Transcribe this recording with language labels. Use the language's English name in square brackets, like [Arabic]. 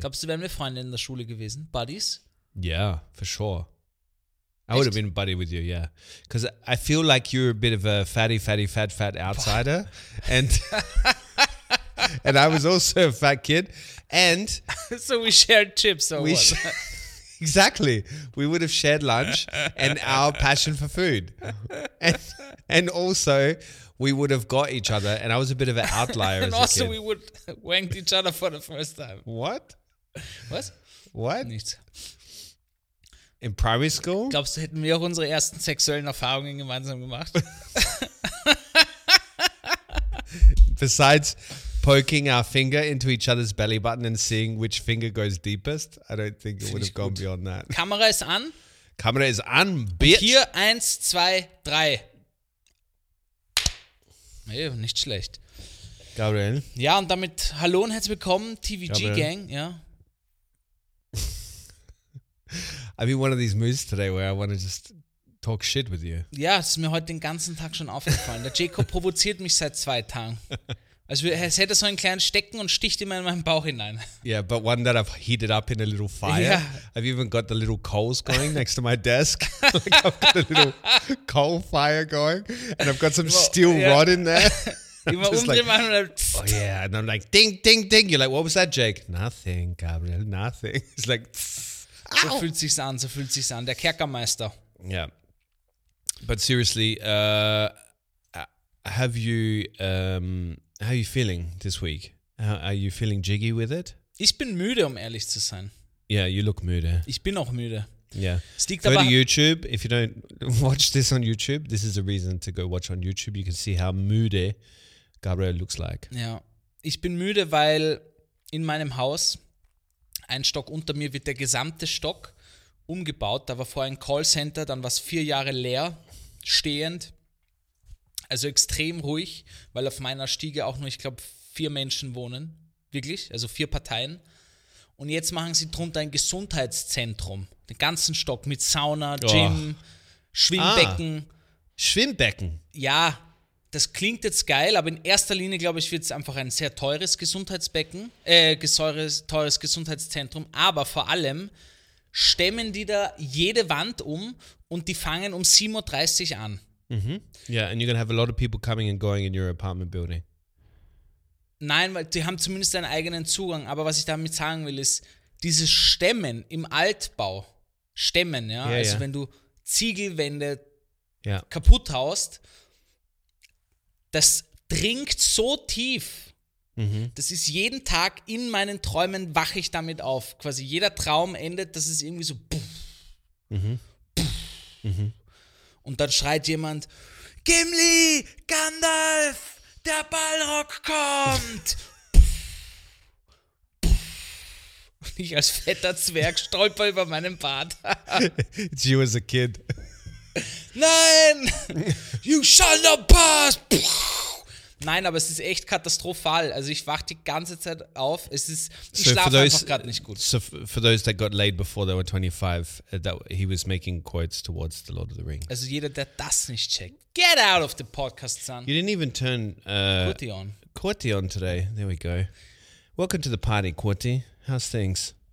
[German] Glaubst du, wenn wir Freunde in der Schule gewesen, [English] buddies? Yeah, for sure. I would have been a buddy with you, yeah. Because I feel like you're a bit of a fat outsider, and I was also a fat kid, and so we shared chips or what? Exactly. We would have shared lunch and our passion for food. And also, we would have got each other. And I was a bit of an outlier and as a kid. And also, we would wank each other for the first time. What? [German] Was? [English] What? [German] Nichts. [English] In primary school? [German] Glaubst du, hätten wir auch unsere ersten sexuellen Erfahrungen gemeinsam gemacht? [English] Besides poking our finger into each other's belly button and seeing which finger goes deepest. I don't think it would have gone beyond that. [German] Kamera ist an. Kamera ist an, bitch. Hier, 1, 2, 3. Hey, nicht schlecht. Gabriel. Ja, und damit hallo und herzlich willkommen, TVG Gabriel. Gang. Ja. [English] I'm in one of these moves today where I want to just talk shit with you. [German] Ja, es ist mir heute den ganzen Tag schon aufgefallen. Der Jacob provoziert mich seit 2 Tagen. Also es hätte so einen kleinen Stecken und sticht immer in meinen Bauch hinein. [English] Yeah, but one that I've heated up in a little fire. Yeah. I've even got the little coals going next to my desk. Like I've got a little coal fire going and I've got some steel rod in there. Oh yeah, and I'm like ding ding ding. You're like, what was that, Jake? Nothing, Gabriel, nothing. It's like [German] so fühlt sich's an, so fühlt sich's an. Der Kerkermeister. [English] Yeah. But seriously, how are you feeling this week? How are you feeling jiggy with it? [German] Ich bin müde, um ehrlich zu sein. [English] Yeah, you look müde. [German] Ich bin auch müde. [English] Yeah. Go to YouTube. If you don't watch this on YouTube, this is a reason to go watch on YouTube. You can see how müde Gabriel looks like. [German] Ja. Ich bin müde, weil in meinem Haus, ein Stock unter mir, wird der gesamte Stock umgebaut. Da war vorher ein Callcenter, dann war es 4 Jahre leer, stehend. Also extrem ruhig, weil auf meiner Stiege auch nur, ich glaube, 4 Menschen wohnen. Wirklich, also 4 Parteien. Und jetzt machen sie drunter ein Gesundheitszentrum. Den ganzen Stock mit Sauna, Gym, Schwimmbecken. Schwimmbecken? Ja, das klingt jetzt geil, aber in erster Linie, glaube ich, wird es einfach ein sehr teures Gesundheitsbecken, teures Gesundheitszentrum. Aber vor allem stemmen die da jede Wand um und die fangen um 7.30 Uhr an. Mhm. [English] Yeah, and you're going to have a lot of people coming and going in your apartment building. [German] Nein, weil die haben zumindest einen eigenen Zugang. Aber was ich damit sagen will, ist, dieses Stemmen im Altbau, Stemmen, ja, wenn du Ziegelwände kaputt haust, das dringt so tief. Mhm. Das ist jeden Tag in meinen Träumen, wache ich damit auf. Quasi jeder Traum endet, das ist irgendwie so. Puff, puff. Und dann schreit jemand, Gimli, Gandalf! Der Balrog kommt! Und ich als fetter Zwerg stolper über meinen Bart. [English] It's you as a kid. [German] Nein! [English] You shall not pass! [German] Nein, aber es ist echt katastrophal. Also ich wach die ganze Zeit auf. Es ist, ich schlafe einfach gerade nicht gut. [English] So for those that got laid before they were 25, that he was making quotes towards the Lord of the Rings. [German] Also jeder, der das nicht checkt, [English] get out of the podcast, son. You didn't even turn Quartion today. There we go. Welcome to the party, Quarty. How's things?